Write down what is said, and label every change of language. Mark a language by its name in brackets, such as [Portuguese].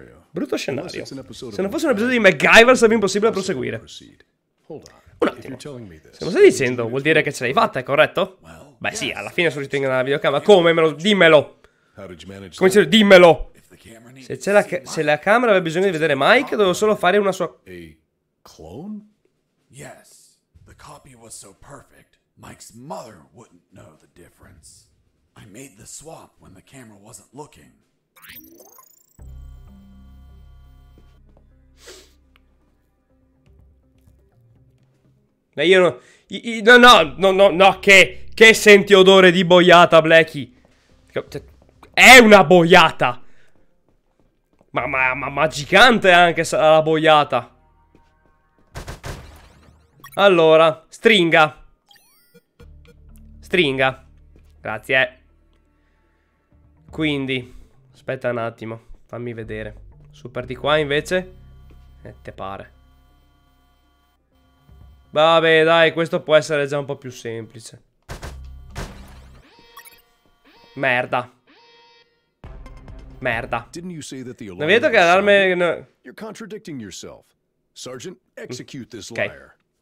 [Italian] Brutto scenario. Se non fosse un episodio di MacGyver sarebbe impossibile proseguire. Un attimo. Se lo stai dicendo vuol dire che ce l'hai fatta, è corretto? Beh sì, alla fine sono riuscito a ingannare la videocamera. Come? Dimmelo. Come dire? Dimmelo. Se la camera aveva bisogno di vedere Mike, dovevo solo fare una sua... [English] A clone? Yes. The copy was so perfect, Mike's mother wouldn't know the difference. I made the swap when the camera wasn't looking. [Italian] Ma io no, che senti odore di boiata, Blacky? È una boiata. Ma gigante anche sarà la boiata. Allora, stringa. Grazie. Quindi, aspetta un attimo, fammi vedere. Super di qua invece? Te pare. Vabbè, dai, questo può essere già un po' più semplice. Merda. Non hai detto che l'allarme... [English] You're contradicting yourself. Sergeant, execute this liar.